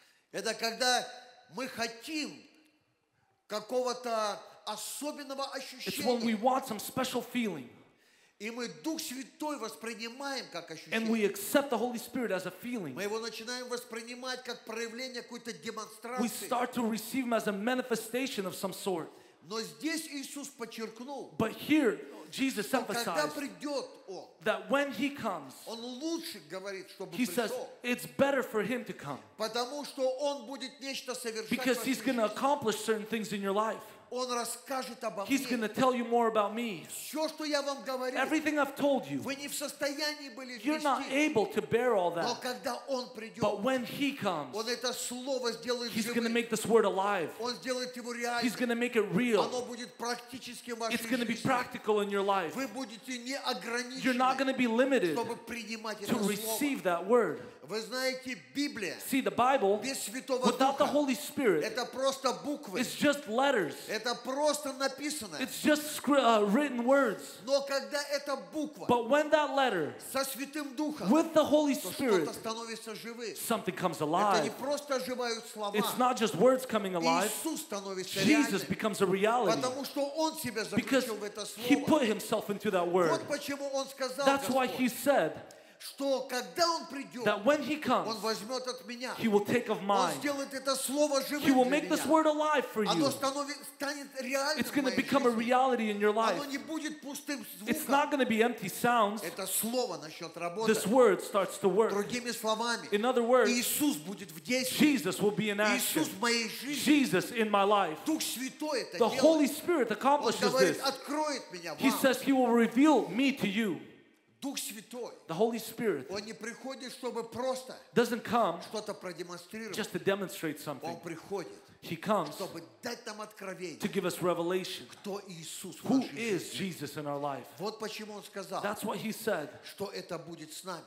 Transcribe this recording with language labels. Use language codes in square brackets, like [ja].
[ru] Это когда мы хотим какого-то особенного ощущения. [en] It's when we want some special feeling. [ru] И мы Дух Святой воспринимаем как ощущение. [en] And we accept the Holy Spirit as a feeling. [ru] Мы его начинаем воспринимать как проявление какой-то демонстрации. [en] We start to receive him as a manifestation of some sort. [ru] Но здесь Иисус подчеркнул. [en] But here Jesus emphasized. [ru] Когда придет он. [en] That when he comes. [ru] Он лучше говорит, чтобы пришел. [en] He says it's better for him to come. [ru] Потому что он будет нечто совершать. [en] Because he's going to accomplish certain things in your life. [ru] Он расскажет обо мне. [en] He's going to tell you more about me. [ru] Все, что я вам говорил. [en] Everything I've told you. [ru] Вы не в состоянии были вести. [en] You're not able to bear all that. [ru] Но когда он придет. [en] But when he comes. [ru] Он это слово сделает живым. [en] He's going to make this word alive. [ru] Он сделает его реальным. [en] He's going to make it real. [ru] Оно будет практическим в вашей жизни. [en] It's going to be practical in your life. [ru] Вы будете не ограничены. [en] You're not going to be limited. [ru] Чтобы принимать это слово. [en] To receive that word. [ru] Вы знаете, Библия. [en] See the Bible. [ru] Без Святого Духа. [en] Without the Holy Spirit. [ru] Это просто буквы. [en] It's just letters. [ru] Это просто написано. [en] It's just written words. [ru] Но когда эта буква, [en] but when that letter, [ru] со Святым Духом, [en] with the Holy Spirit, [ru] то что-то становится живым. [en] Something comes alive. [ru] Это не просто оживают слова. [en] It's not just words coming alive. [ru] Иисус становится реальным. [en] Jesus becomes a reality. [ru] Потому что он себя заключил [en] because [ru] в это слово. [en] He put himself into that word. [ru] Вот почему он сказал. [en] That's why he said. [ru] Что когда он придет, [en] that when he comes, [ru] он возьмет от меня, [en] he will take of mine. [ru] Он сделает это слово живым. [en] He will make this word alive for you. [ru] Оно станет реальным. [en] It's going to become a reality in your life. [ru] Оно не будет пустым звуком. [en] It's not going to be empty sounds. [ru] Это слово начнет работать. [en] This word starts to work. [ru] Другими словами, [en] in other words, [ru] Иисус будет в действии. [en] Jesus will be in action. [ru] Иисус в моей жизни. [en] Jesus in my life. [ru] Дух Святой это делает. [en] The Holy Spirit accomplishes this. [ru] Он говорит, откроет меня вам. [en] He says he will reveal me to you. [ru] Дух Святой. [en] The Holy Spirit. [ru] Он не приходит, чтобы просто. [en] Doesn't come. [ru] Что-то продемонстрировать. [en] Just to demonstrate something. [ru] Он приходит. [en] He comes. [ru] Чтобы дать нам откровение. [en] To give us revelation. [ru] Кто Иисус? [en] Who is Jesus in our life? [ru] Вот почему он сказал. [en] That's what he said. [ru] Что это будет с нами?